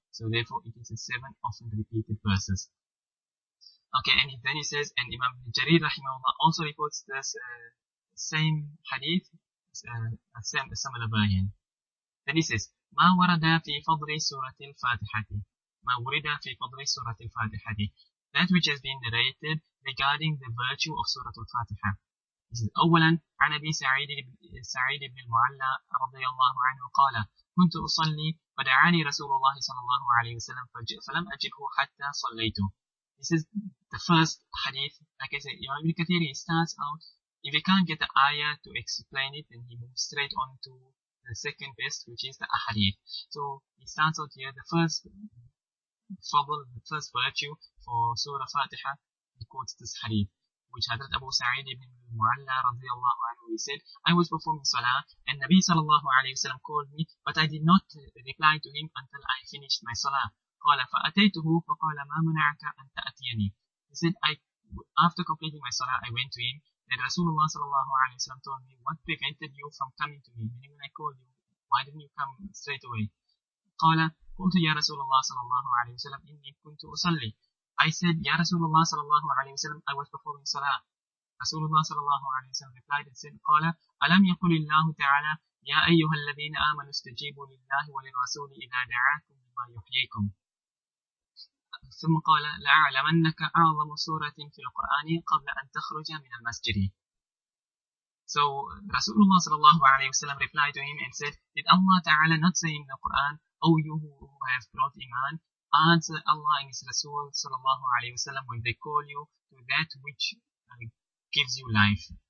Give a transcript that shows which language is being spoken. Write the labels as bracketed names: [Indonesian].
[English] So therefore, it is the seven often repeated verses. Okay, and then he says, and Imam Jarir rahimahullah also reports this same hadith, a similar version. Then he says, [Arabic] مَا وَرَدَ فِي فَضْرِ سُورَةِ الْفَاتِحَةِ [English] مَا وَرِدَ فِي فَضْرِ سُورَةِ الْفَاتِحَةِ That which has been narrated regarding the virtue of Surah Al-Fatiha. He says, [Arabic] أولاً عن أبي سعيد بن المعلى رضي الله عنه قال كنت أصلي فدعاني رسول الله صلى الله عليه وسلم فلم أجبه حتى صليته. [English] This is the first hadith. Like I said, Ibn Kathir, he starts out, if he can't get the ayah to explain it, then he moves straight on to the second best, which is the ahadith. So he starts out here, the first fable, the first virtue for Surah Fatiha, he quotes this hadith, which Hadrat Abu Sa'id ibn Mu'alla radiallahu anhu, he said, I was performing salah, and Nabi sallallahu alayhi wa sallam called me, but I did not reply to him until I finished my salah. [Arabic] قال فأتيته فقال ما منعك أن تأتيني. [English] He said, after completing my salah, I went to him. Then Rasulullah sallallahu alayhi wa sallam told me, what prevented you from coming to me? Meaning when I called you, why didn't you come straight away? [Arabic] قال قلت يا رسول الله صلى الله عليه وسلم إني كنت أصلي. [English] I said, [Arabic] يا رسول الله صلى الله عليه وسلم, [English] I was performing salah. Rasulullah sallallahu alayhi wa sallam replied and said, [Arabic] قال ألم يقل الله تعالى يا أيها الذين آمنوا استجيبوا لله وللرسول إذا دعاكم لما يحييكم. ثم قال لأعلمنك أعظم سورة في القرآن قبل أن تخرج من المسجد. [English] So Rasulullah sallallahu alayhi wa sallam replied to him and said, did Allah ta'ala not say in the Quran, O you who have brought iman, answer Allah and his Rasul sallallahu alayhi wa sallam when they call you to that which gives you life.